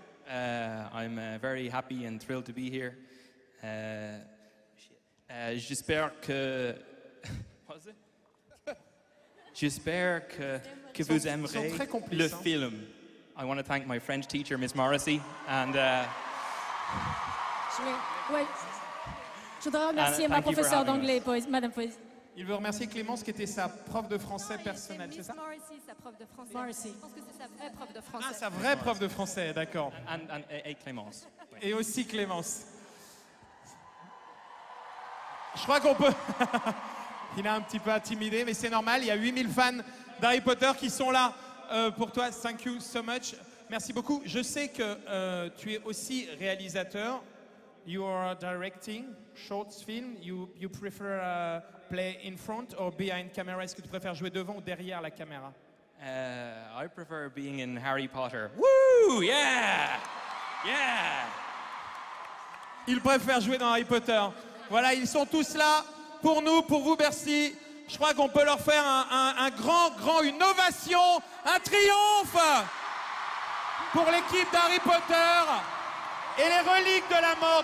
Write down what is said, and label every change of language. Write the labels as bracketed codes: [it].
[en] I'm very happy and thrilled to be here. [fr] J'espère que... [en] What is it? [fr] J'espère que vous aimerez le film. [en] I want to thank my French teacher, Miss Morrissey, and... [fr] Je voudrais remercier ma professeure d'anglais, Madame Poésie. Il veut remercier Clémence, qui était sa prof de français personnelle, c'est ça? Miss Morrissey, sa prof de français. Morrissey. Je pense que c'est sa vraie prof de français. Ah, sa vraie prof de français, d'accord. Et Clémence. Et aussi Clémence. Je crois qu'on peut... Il est un petit peu intimidé, mais c'est normal. Il y a 8000 fans d'Harry Potter qui sont là pour toi. [en] Thank you so much. [fr] Merci beaucoup. Je sais que tu es aussi réalisateur. [en] You are directing shorts film. You prefer play in front or behind camera? [fr] Est-ce que tu préfères jouer devant ou derrière la caméra? [en] I prefer being in Harry Potter. Woo! Yeah! Yeah! [fr] Il préfère jouer dans Harry Potter. Voilà, ils sont tous là. Pour nous, pour vous, merci. Je crois qu'on peut leur faire une ovation, un triomphe pour l'équipe d'Harry Potter et les reliques de la mort.